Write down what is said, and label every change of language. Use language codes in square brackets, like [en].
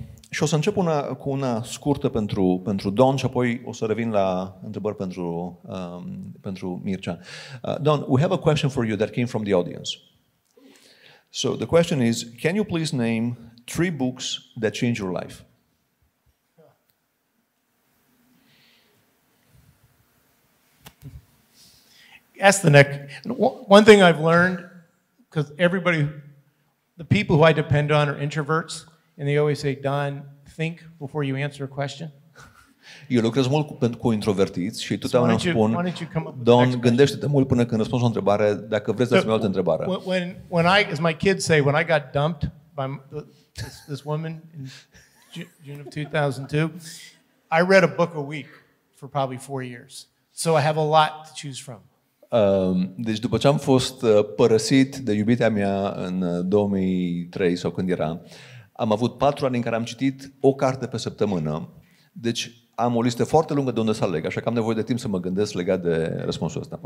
[ro] Și o să încep cu una scurtă pentru Don și apoi o să revin la întrebări pentru Mircea. [en] Don, we have a question for you that came from the audience. So the question is, can you please name 3 books that change your life? Ask the next. One thing I've learned, because everybody, the people who I depend on are introverts, and they always say, Don, think before you answer a question. [ro] Eu lucrez mult cu introvertiți și totdeauna spun, Don, gândește-te mult până când răspunzi o întrebare, dacă vreți să-mi o altă întrebare. [en] When I, as my kids say, when I got dumped by this woman in June of 2002, I read a book a week for probably 4 years. So I have a lot to choose from. [ro] Deci după ce am fost părăsit de iubita mea în 2003 sau când era, am avut 4 ani în care am citit o carte pe săptămână. Deci am o listă foarte lungă de unde să aleg, așa că am nevoie de timp să mă gândesc legat de răspunsul ăsta.